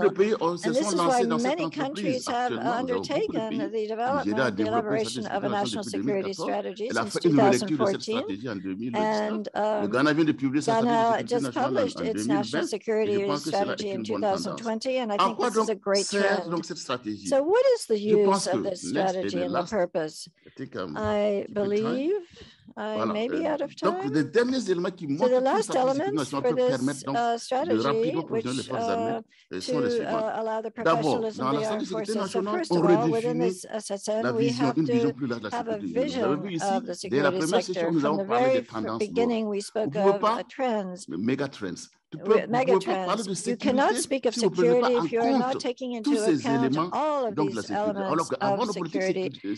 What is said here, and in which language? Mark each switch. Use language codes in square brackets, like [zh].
[en] And this is why many countries have undertaken the development, the elaboration of a national security strategy since 2014. And Ghana just published its national security strategy in 2020, and I think this is a great trend. So what is the use of this strategy and the purpose? I believe Voilà. Maybe out of time. [fr] Donc, les derniers éléments qui montrent que cette situation peut permettre donc, strategy, de rappeler aux prisonniers les forces armées sont les suivants. D'abord, dans la salle de sécurité nationale, on redéfinit la vision, une vision plus large de la sécurité. Vous avez vu ici, dès la première session, nous avons parlé des tendances. Vous ne pouvez pas trends, méga trends. [en] Megatrends. You cannot speak of security if you are not taking into account all of these elements of security.